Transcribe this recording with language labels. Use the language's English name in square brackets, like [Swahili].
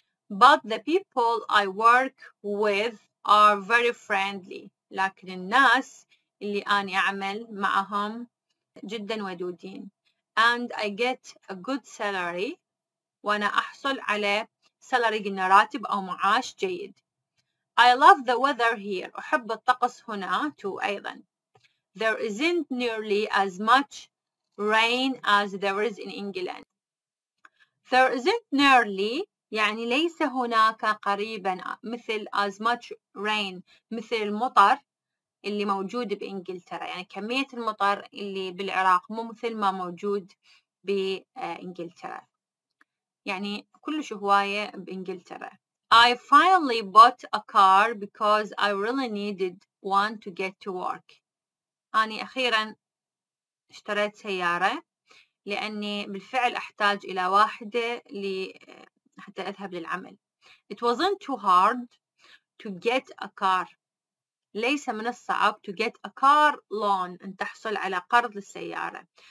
[English] But the people I work with are very friendly، [Arabic] لكن الناس اللي أنا أعمل معهم جدا ودودين. [English] And I get a good salary، [Arabic] وأنا أحصل على salary قلنا راتب أو معاش جيد. [English] I love the weather here، [Arabic] أحب الطقس هنا [English] too [Arabic] أيضا. [English] There isn't nearly as much rain as there is in England. There isn't nearly، [Arabic] يعني ليس هناك قريبا مثل [English] as much rain، [Arabic] مثل المطر اللي موجود بإنجلترا، يعني كمية المطر اللي بالعراق مو مثل ما موجود بإنجلترا، يعني كلش هواية بإنجلترا. [English] I finally bought a car because I really needed one to get to work. [Arabic] أنا أخيرا اشتريت سيارة لأني بالفعل أحتاج إلى واحدة حتى أذهب للعمل. [English] It wasn't too hard to get a car. [Arabic] ليس من الصعب [English] to get a car loan، [Arabic] أن تحصل على قرض للسيارة.